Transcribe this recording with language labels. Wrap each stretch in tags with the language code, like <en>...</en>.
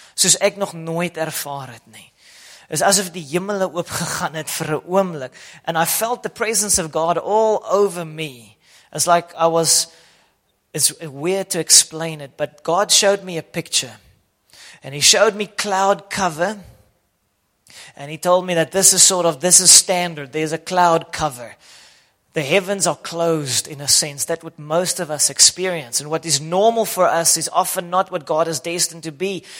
<af>Soos ek nog nooit ervaar het nie. Is asof die hemele oop gegaan het vir 'n oomblik.</af> <en>And I felt the presence of God all over me. It's like I was, it's weird to explain it, but God showed me a picture. And He showed me cloud cover. And He told me that this is standard. There's a cloud cover. The heavens are closed in a sense that what most of us experience and what is normal for us is often not what God is destined to be.</en>